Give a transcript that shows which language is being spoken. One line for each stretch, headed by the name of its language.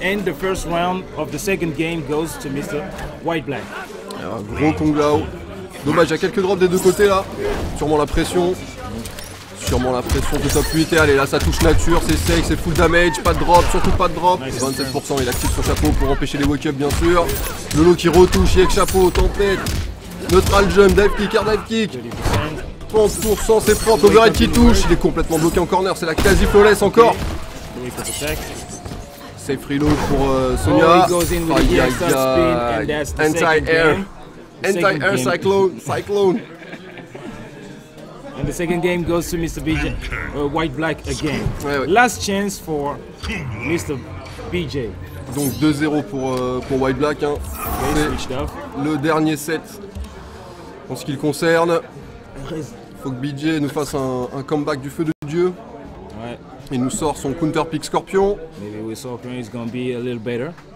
English: And the first round of the second game goes to Mr. White Black.
French: Un gros Kong Lao. Dommage, il y a quelques drops des deux côtés là. Sûrement la pression. Sûrement la pression de top 8. Et allez, là ça touche nature, c'est safe, c'est full damage, pas de drop, surtout pas de drop. 27%, il active son chapeau pour empêcher les wake-up bien sûr. Lolo qui retouche, Yek chapeau, tempête. Neutral jump, dive kick, air dive kick. 30%, c'est propre, overhead qui touche, il est complètement bloqué en corner, c'est la quasi flawless encore. Safe reload pour Sonya. Anti-air. Anti-air cyclone.
English: And the second game goes to Mr. BJ, White Black again.
French: Ouais.
English: Last chance for Mr. BJ.
French: Donc 2-0 pour White Black. Hein.
English: Okay,
French: c'est le dernier set en ce qui le concerne. Faut que BJ nous fasse un comeback du feu de Dieu. Ouais. Il nous sort son counter pick Scorpion.
English: Maybe with Scorpion is gonna be a little better.